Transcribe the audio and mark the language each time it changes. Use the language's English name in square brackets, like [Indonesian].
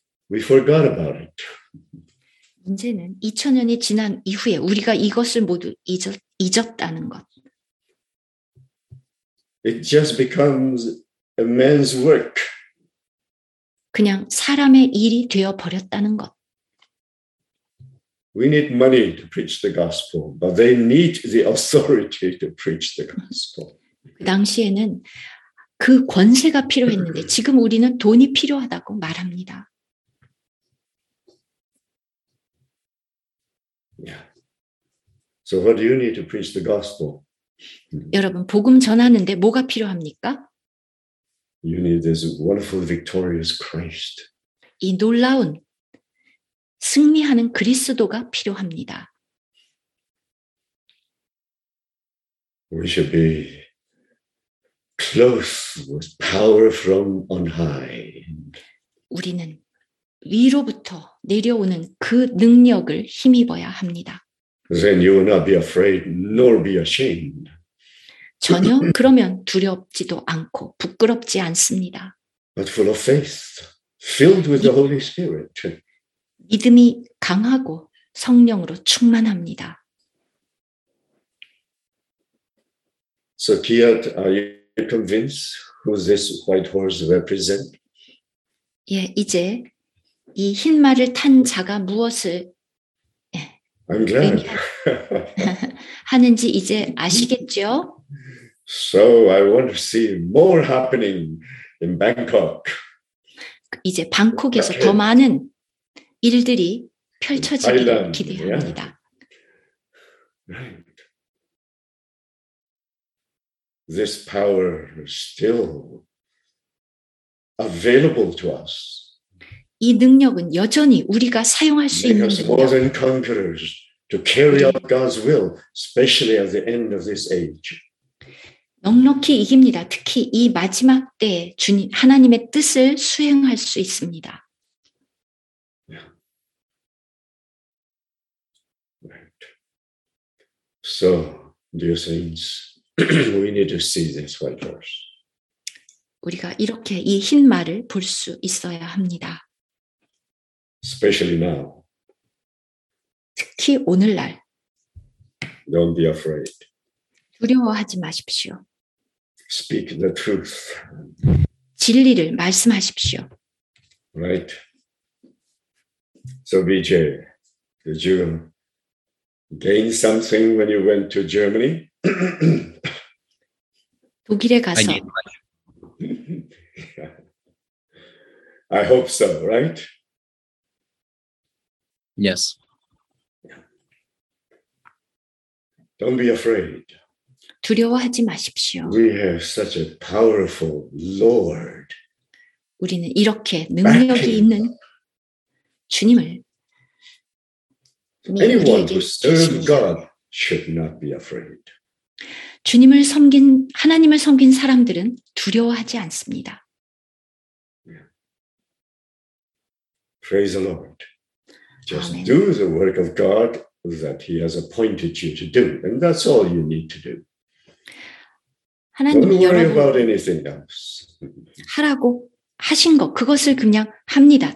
[English] We forgot about it. [Korean] 문제는 2000년이 지난 이후에 우리가 이것을 모두 잊었다는 것. [English] It just becomes a man's work. [Korean] 그냥 사람의 일이 되어 버렸다는 것. [English] We need money to preach the gospel, but they need the authority to preach the gospel. [Korean] 그 당시에는 그 권세가 필요했는데 지금 우리는 돈이 필요하다고 말합니다. [English] Yeah. So what do you need to preach the gospel? [Korean] 여러분 복음 전하는데 뭐가 필요합니까? [English] You need this wonderful victorious Christ. [Korean] 이 놀라운 승리하는 그리스도가 필요합니다. [English] We should be close with power from on high. [Korean] 우리는 위로부터 내려오는 그 능력을 힘입어야 합니다. [English] Then you will not be afraid nor be ashamed. [Korean] 전혀 그러면 두렵지도 않고 부끄럽지 않습니다. [English] But full of faith, filled with the Holy Spirit. [Korean] 믿음이 강하고 성령으로 충만합니다. [English] So, Kiat, are you convinced who this white horse represents? [Korean] 예, 이제 이 흰 말을 탄 자가 무엇을 [English] I'm glad. [Korean] 하는지 이제 아시겠죠? [English] So I want to see more happening in Bangkok. [Korean] 이제 방콕에서 더 많은 일들이 펼쳐지길 기대합니다. [English] This power is still available to us. [Korean] 이 능력은 여전히 우리가 사용할 수 있는 능력. [English] Because more than conquerors to carry out God's will, especially at the end of this age. [Korean] 넉넉히 이깁니다. 특히 이 마지막 때 주님 하나님의 뜻을 수행할 수 있습니다. [English] So, dear saints, we need to see this white horse. [Korean] 우리가 이렇게 이 흰 말을 볼 수 있어야 합니다. [English] Especially now. [Korean] 특히 오늘날. [English] Don't be afraid. [Korean] 두려워하지 마십시오. [English] Speak the truth. [Korean] 진리를 말씀하십시오. [English] Right. So, BJ, did you gain something when you went to Germany? [Korean] 독일에 가서. [English] I hope so, right? Yes. Don't be afraid. [Korean] 두려워하지 마십시오. [English] We have such a powerful Lord. [Korean] 우리는 이렇게 능력이 있는 주님을 [English] Anyone who serves God should not be afraid. [Korean] 주님을 섬긴 하나님을 섬긴 사람들은 두려워하지 않습니다. [English] Praise the Lord. Just do the work of God that He has appointed you to do, and that's all you need to do. [Korean] 하나님 [English] Don't worry about anything else. [Korean] 하라고 하신 것 그것을 그냥 합니다.